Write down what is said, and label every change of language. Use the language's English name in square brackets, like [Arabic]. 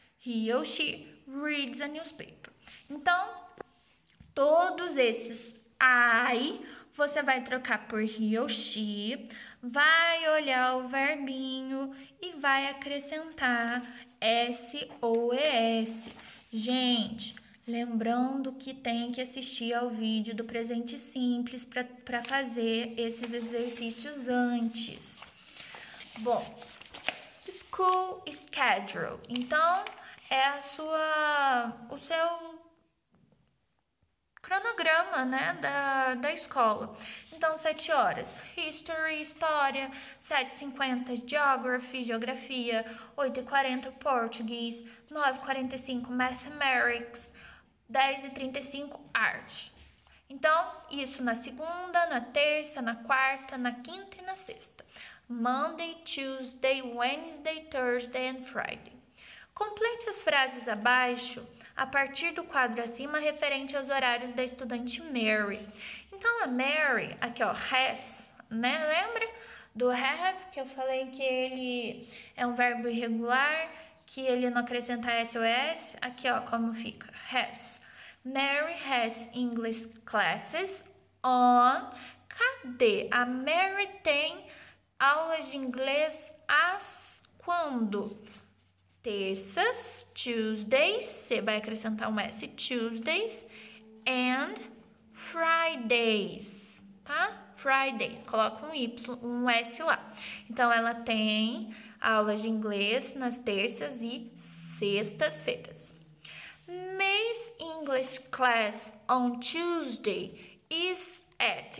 [English] He or she reads a newspaper. [Portuguese] Então, todos esses I, você vai trocar por he or she, vai olhar o verbinho e vai acrescentar S ou ES. Gente, lembrando que tem que assistir ao vídeo do presente simples para fazer esses exercícios antes. [English] Bom, school schedule. [Portuguese] Então, é a sua, o seu cronograma, né, da escola. Então, 7 horas, history, história, 7:50, geografia, 8:40, português, 9:45, mathematics, 10:35, art. Então, isso na segunda, na terça, na quarta, na quinta e na sexta. [English] Monday, Tuesday, Wednesday, Thursday and Friday. [Portuguese] Complete as frases abaixo a partir do quadro acima referente aos horários da estudante Mary. Então, a Mary, aqui ó, has, né? Lembra do have, que eu falei que ele é um verbo irregular, que ele não acrescenta SOS? Aqui ó, como fica? Has. [English] Mary has English classes on. [Portuguese] Cadê? A Mary tem aulas de inglês às quando? Terças, Tuesdays, você vai acrescentar um S, Tuesdays, and Fridays, tá? Fridays, coloca um Y, um S lá. Então, ela tem aulas de inglês nas terças e sextas-feiras. [English] May's English class on Tuesday is at.